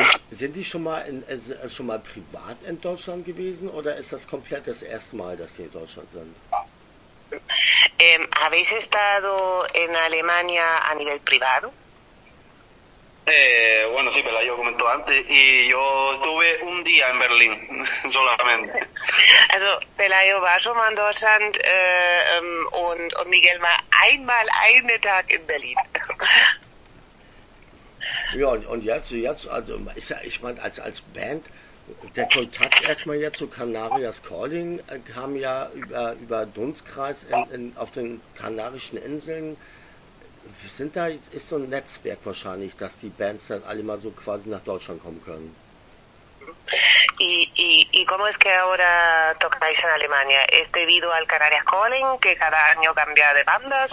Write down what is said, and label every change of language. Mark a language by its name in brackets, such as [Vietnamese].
[German] Sind die schon mal privat in Deutschland gewesen oder ist das komplett das erste Mal, dass sie in Deutschland sind? [Spanish] ¿Habéis estado en Alemania a nivel privado? Bueno, sí, pero yo comentó antes y yo estuve un día en Berlín solamente. [German] Also, Pelayo war schon mal in Deutschland und Miguel war einmal einen Tag in Berlin. Ja, und jetzt, also ist ja, ich meine, als Band, der Kontakt erstmal jetzt zu Canarias Calling kam ja über Dunstkreis auf den Kanarischen Inseln. Ist so ein Netzwerk wahrscheinlich, dass die Bands dann alle mal so quasi nach Deutschland kommen können. [Spanish] Y cómo es que ahora tocáis en Alemania? ¿Es debido al Canarias Calling, que cada año cambia de bandas?